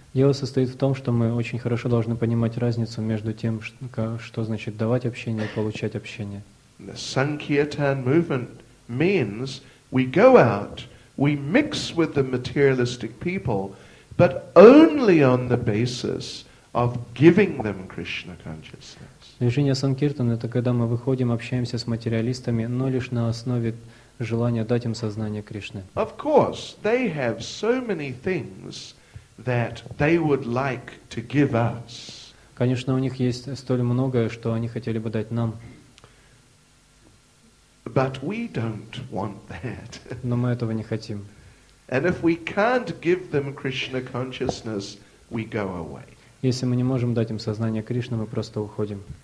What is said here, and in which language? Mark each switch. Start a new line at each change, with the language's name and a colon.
Russian: Дело состоит в том, что мы очень хорошо должны понимать разницу между тем, что значит давать общение и получать общение.
English: The Sankirtan movement means we go out, we mix with the materialistic people, but only on the basis of giving them Krishna consciousness.
Russian: Движение Санкиртан — это когда мы выходим, общаемся с материалистами, но лишь на основе желания дать им сознание Кришны.
English: Of course, they have so many things that they would like to give us.
Russian: Конечно, у них есть столь многое, что они хотели бы дать нам.
English: But we don't want that.
Russian: Но мы этого не хотим.
English: And if we can't give them Krishna consciousness, we go away.
Russian: Если мы не можем дать им сознание Кришны, мы просто уходим.